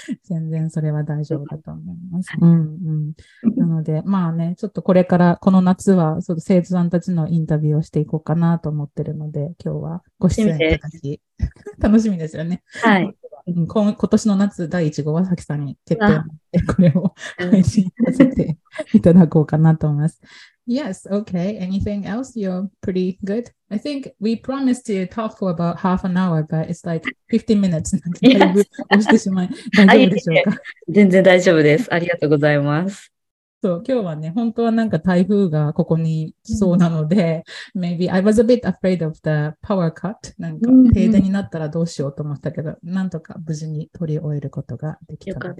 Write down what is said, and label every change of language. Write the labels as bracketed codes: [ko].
[ja] 全然それは大丈夫だと思います。うんうん、なので、まあね、ちょっとこれから、この夏は、生徒さんたちのインタビューをしていこうかなと思ってるので、今日はご出演いただき、楽しみですよね。はい。今年の夏第1号は、さきさんに決定して、これを配信させていただこうかなと思います。 [en] Yes, okay. Anything else? You're pretty good. I think we promised to talk for about half an hour, but it's like 15 minutes. [ja] Yes. 大丈夫でしょうか？全然大丈夫です。ありがとうございます。そう、今日はね、本当はなんか台風がここに来そうなので、 [en] maybe I was a bit afraid of the power cut. [ja] なんか停電になったらどうしようと思ったけど、なんとか無事に取り終えることができたので。